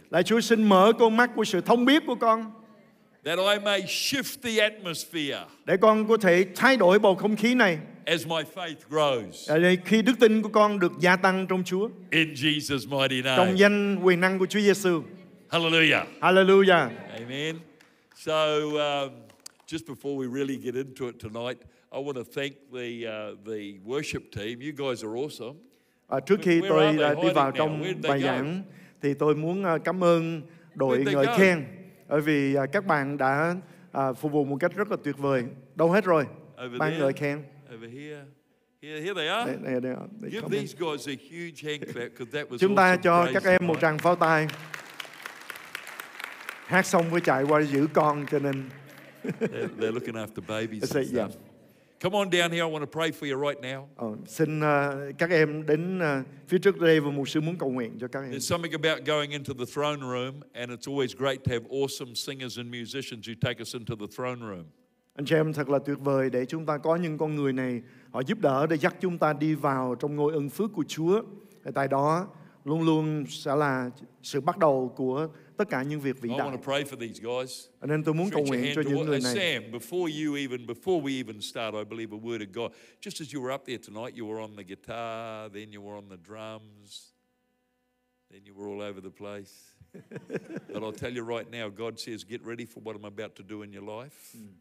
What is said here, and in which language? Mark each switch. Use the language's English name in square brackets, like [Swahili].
[Vietnamese] Lạy Chúa, xin mở con mắt của sự thông biết của con. [English] That I may shift the atmosphere. [Vietnamese] Để con có thể thay đổi bầu không khí này. [English] As my faith grows. [Vietnamese] Để khi đức tin của con được gia tăng trong Chúa. [English] In Jesus' mighty name. [Vietnamese] Trong danh quyền năng của Chúa Giêsu. [English] Hallelujah. Hallelujah. Amen. So, just before we really get into it tonight, I want to thank the worship team. You guys are awesome. [Vietnamese] Trước khi tôi đi vào trong bài giảng, thì tôi muốn cảm ơn đội ngợi khen, bởi vì các bạn đã phục vụ một cách rất là tuyệt vời. Đâu hết rồi? Ban ngợi khen. [English] Over here. Here they are. They give these guys a huge hand clap because that was. [Vietnamese] Chúng ta cho các em một tràng pháo tay. Hát xong mới chạy qua giữ con, cho nên. [English] They're looking after babies. And stuff. Yeah. Come on down here. I want to pray for you right now. [Vietnamese] Xin các em đến phía trước đây và mục sư muốn cầu nguyện cho các em. [English] There's something about going into the throne room, and it's always great to have awesome singers and musicians who take us into the throne room. [Vietnamese] Anh chị em thật là tuyệt vời để chúng ta có những con người này, họ giúp đỡ để dắt chúng ta đi vào trong ngôi ân phước của Chúa. Và tại đó luôn luôn sẽ là sự bắt đầu của tất cả những việc vĩ đại. Nên tôi muốn cầu nguyện cho những người này. [English] Sam, before you even, before we even start, I believe a word of God. Just as you were up there tonight, you were on the guitar, then you were on the drums, then you were all over the place. But I'll tell you right now, God says, get ready for what I'm about to do in your life.